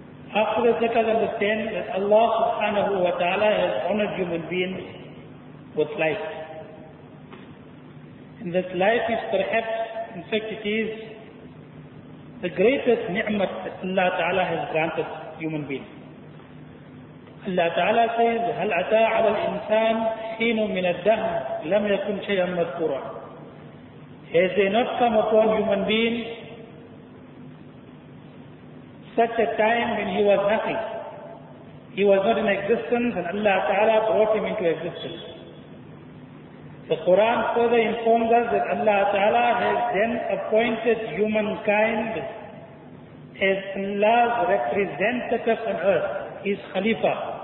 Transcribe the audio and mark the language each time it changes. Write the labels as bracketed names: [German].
[English] After that, let us understand that Allah subhanahu wa ta'ala has honored human beings with life. And that life is perhaps, in fact it is, the greatest ni'mat that Allah ta'ala has granted human beings. Allah ta'ala says, [Arabic] هَلْ أَتَى عَلَى الْإِنسَانِ حِينٌ مِنَ الدَّهْرِ لَمْ يَكُنْ شَيْئًا مَذْكُورًا. [English] Has there not come upon human being such a time when he was nothing? He was not in existence and Allah ta'ala brought him into existence. The Quran further informs us that Allah ta'ala has then appointed humankind as Allah's representative on earth, his Khalifa.